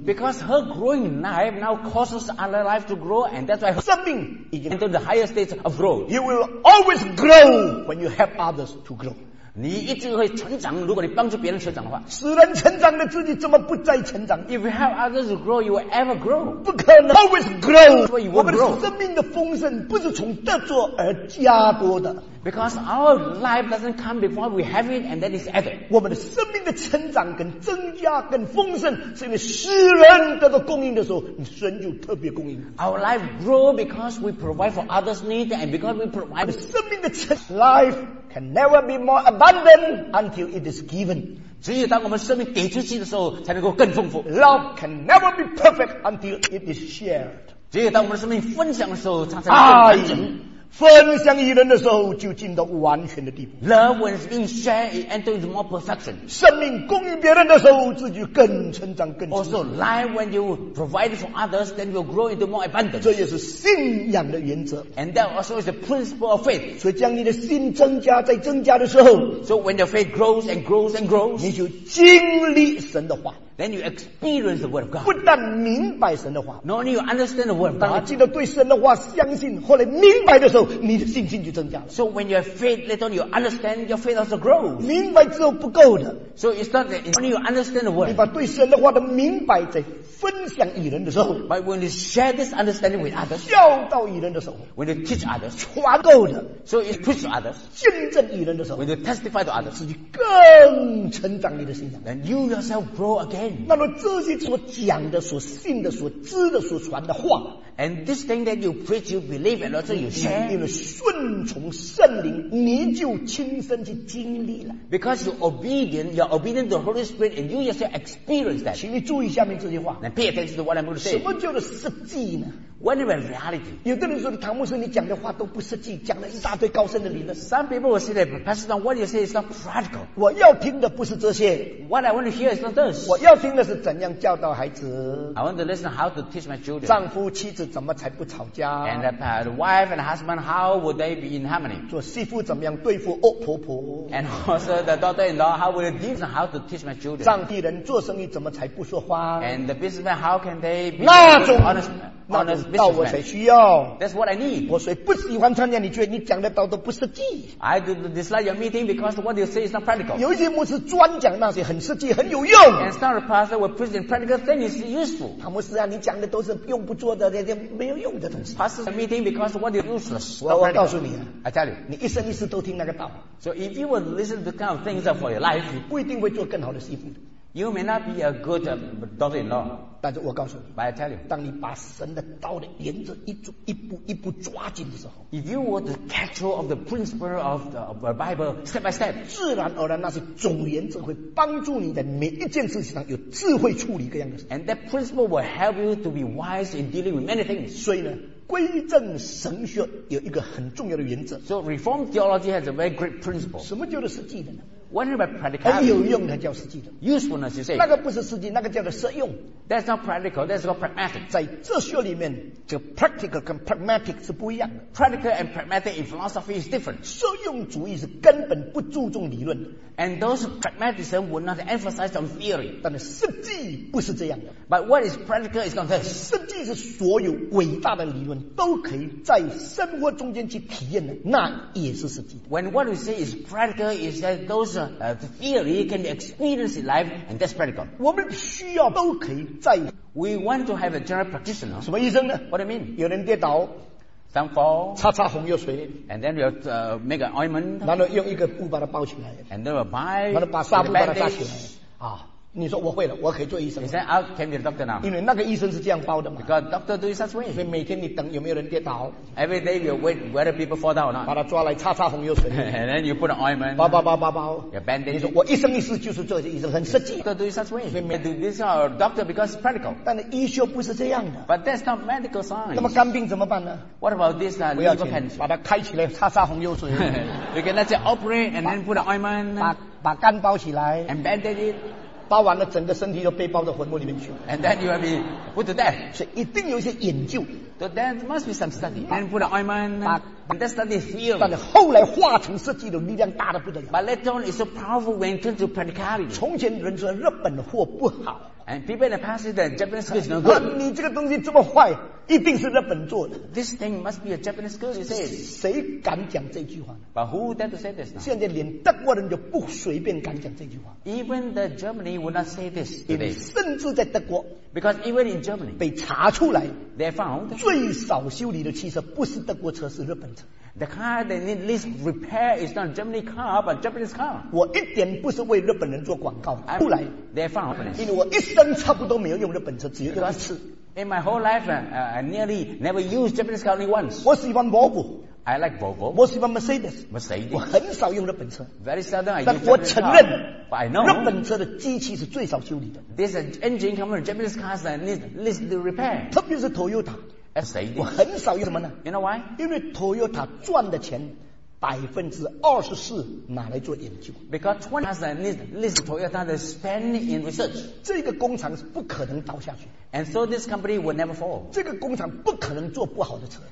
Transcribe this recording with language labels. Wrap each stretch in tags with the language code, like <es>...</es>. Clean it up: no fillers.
<en>Because her growing life now causes other life to grow, and that's why her</en> <zh>生命已经</zh> <en>into the higher states of growth. You will always grow when you help others to grow.</en> <zh>你一直会成长，如果你帮助别人成长的话。使人成长的自己怎么不再成长？</zh> <en>If you help others to grow, you will ever grow.</en> <zh>不可能，</zh> <en>always grow.</en> <zh>我们生命的丰盛不是从得着而加多的。</zh> <en>Because our life doesn't come before we have it and then it's added.</en> <zh>我们的生命的成长跟增加跟丰盛，是因为使人得到供应的时候，神就特别供应。</zh> <en>Our life grow because we provide for others' need and because we provide.</en> <zh>我们生命的成</zh> <en>life can never be more abundant until it is given.</en> <zh>只有当我们生命给出去的时候，才能够更丰富。</zh> <en>Love can never be perfect until it is shared.</en> <zh>只有当我们生命分享的时候，才能够更完整。分享与人的时候，就进到完全的地步。</zh> <en>Love when it's being shared, it enters more perfection.</en> <zh>生命供应别人的时候，自己更成长更成熟。</zh> <en>Also, life when you provide for others, then you'll grow into more abundance.</en> <zh>这也是信仰的原则。</zh> <en>And that also is the principle of faith.</en> <zh>所以将你的心增加，在增加的时候，</zh> <en>so when your faith grows and grows and grows,</en> <zh>你就经历神的话。</zh> <en>Then you experience the word of God.</en> <zh>不但明白神的话,</zh> <en>not only you understand the word of God.</en> <zh>当你记得对神的话相信，后来明白的时候，你的信心就增加了。</zh> <en>So when you have faith, later you understand, your faith also grows.</en> <zh>明白之后不够的。</zh> <en>So it's not that only you understand the word.</en> <zh>你把对神的话的明白再分享与人的时候,</zh> <en>but when you share this understanding with others,</en> <zh>教导与人的时候,</zh> <en>when you teach others,</en> <zh>传够的,</zh> <en>so you preach to others,</en> <zh>见证与人的时候,</zh> <en>when you testify to others,</en> <zh>自己更成长你的信仰,</zh> <en>then you yourself grow again.</en> <zh>那么这些所讲的、所信的、所知的、所传的话，</zh> <en>and this thing that you preach, you believe, and also you share,</en> <zh>因为顺从圣灵，你就亲身去经历了。</zh> <en>Because you obedient, you're obedient to the Holy Spirit, and you yourself experience that.</en> <zh>请你注意下面这句话。</zh> <en>Now pay attention to what I'm going to say.</en> <zh>什么叫做实际呢？</zh> <en>What about reality?</en> <zh>有的人说，唐牧师，你讲的话都不实际，讲了一大堆高深的理论。</zh> <en>Some people will say that, Pastor Tom, what you say is not practical.</en> <zh>我要听的不是这些。</zh> <en>What I want to hear is not this.</en> <zh>我要听的是怎样教导孩子。</zh> <en>I want to listen how to teach my children.</en> <zh>丈夫妻子怎么才不吵架。</zh> <en>And the wife and husband, how would they be in harmony?</en> <zh>做媳妇怎么样对付恶婆婆。</zh> <en>And also the daughter-in-law, how would they teach how to teach my children?</en> <zh>上帝人做生意怎么才不说话。</zh> <en>And the businessman, how can they be</en> <zh>那种</zh> <en>honest?</en> <zh>那种道我才需要。</zh> <en>That's what I need.</en> <zh>我所以不喜欢参加，你觉得你讲的道都不实际。</zh> <en>I do dislike your meeting because what you say is not practical.</en> <zh>有一些牧师专讲那些很实际、很有用。</zh> <en>And some pastor will present practical things useful.</en> <zh>唐牧师啊，你讲的都是用不着的、没有用的东西。</zh> <en>Pastor's meeting because what is useless.</en> <zh>我告诉你，</zh> <en>I tell you,</en> <zh>你一生一世都听那个道。</zh> <en>So if you will listen to the kind of things for your life,</en> <zh>你不一定会做更好的媳妇。</zh> <en>You may not be a good daughter-in-law.</en> <zh>但是我告诉你，</zh> <en>but I tell you,</en> <zh>当你把神的道的原则一步一步抓紧的时候，</zh> <en>if you were to catch hold of the principle of the Bible step by step,</en> <zh>自然而然那些总原则会帮助你在每一件事情上有智慧处理各样的事。</zh> <en>And that principle will help you to be wise in dealing with many things.</en> <zh>所以呢， 归正神学有一个很重要的原则。</zh> <en>So Reformed theology has a very great principle.</en> <zh>什么叫做实际的呢？</zh> <en>What about practicality?</en> <zh>很有用的叫实际的。</zh> <en>Usefulness, you say.</en> <zh>那个不是实际，那个叫做实用。</zh> <en>That's not practical, that's not pragmatic.</en> <zh>在哲学里面， 就 practical 跟 pragmatic 是不一样的。</zh> <en>Practical and pragmatic in philosophy is different.</en> <zh>实用主义是根本不注重理论的。</zh> <en>And those pragmatism would not emphasize on theory.</en> <zh>但是实际不是这样的。</zh> <en>But what is practical is not this.</en> <zh>实际是所有伟大的理论都可以在生活中间去体验的， 那也是实际的。</zh> <en>When what we say is practical is that those the theory can be experienced in life, and that's practical.</en> <zh>我们需要都可以在</zh> <en>We want to have a general practitioner.</en> <zh>什么医生呢？</zh> <en>What do you mean?</en> <zh>有人跌倒，</zh> <en>some fall,</en> <zh>擦擦红药水，</zh> <en>and then we'll make an ointment,</en> <zh>然后用一个布把它包起来，</zh> <en>and then we'll buy</en> <zh>然后把纱布把它扎起来，你说我会了，我可以做医生。</zh> <en>He said, "I can be a doctor now."</en> <zh>因为那个医生是这样包的嘛。</zh> <en>Because doctor do it such way.</en> <zh>所以每天你等有没有人跌倒。</zh> <en>Every day you wait whether people fall down or not.</en> <zh>把他抓来擦擦红油水。</zh> <en>And then you put an ointment.</en> <zh>包包包包包。</zh> <en>You bandage.</en> <zh>你说我一生一世就是做这医生，很实际。</zh> <en>Doctor do it such way. We do this our doctor because it's practical.</en> <zh>但是医学不是这样的。</zh> <en>But that's not medical science.</en> <zh>那么肝病怎么办呢</zh> <en>？What about this liver cancer?</en> <zh>把它开起来擦擦红油水。</zh> <en>You can let's operate and then put an ointment.</en> <zh>把肝包起来。</zh> <en>And bandage it.</en> <zh>包完了，整个身体就背包到坟墓里面去。</zh> <en>And then you will be put to death.</en> <zh>所以一定有一些研究。</zh> <en>So there must be some study. And put an ointment. And that study healed.</en> <zh>但是后来化成实际的力量大得不得了。</zh> <en>But later on, it's so powerful when it turns to practicality.</en> <zh>从前人说日本货不好。</zh> <en>And people in the past said Japanese goods no good.</en> <zh>你这个东西这么坏，一定是日本做的。</zh> <en>This thing must be a Japanese good, you say.</en> <zh>谁敢讲这句话呢</zh> <en>？But who dare to say this now?</en> <zh>现在连德国人就不随便敢讲这句话。</zh> <en>Even the Germany would not say this today.</en> <zh>甚至在德国</zh> <en>，because even in Germany,</en> <zh>被查出来</zh> <en>，they found</en> <zh>最少修理的汽车不是德国车，是日本车。</zh> <en>The car they need least repair is not Germany car, but Japanese car.</en> <zh>我一点不是为日本人做广告。后来</zh> <en>，they found openness.</en> <zh>因为我一生差不多没有用日本车，只有一次。</zh> <en>In my whole life, I nearly never used Japanese car only once.</en> <zh>我喜欢 Volvo.</zh> <en>I like Volvo.</en> <zh>我喜欢 Mercedes.</zh> <en>Mercedes.</en> <zh>我很少用日本车。</zh> <en>Very seldom I use.</en> <zh>但我承认</zh> <en>，but I know</en> <zh>日本车的机器是最少修理的。</zh> <en>This engine comes from Japanese cars and needs least to repair.</en> <zh>特别是 Toyota. 我很少用什么呢</zh> <en>？You know why？</en> <zh>因为 Toyota 赚的钱24%拿来做研究。</zh> <en>Because 20% is least Toyota to spend in research。</en> <zh>这个工厂是不可能倒下去。</zh> <en>And so this company will never fall。</en> <zh>这个工厂不可能做不好的车。</zh>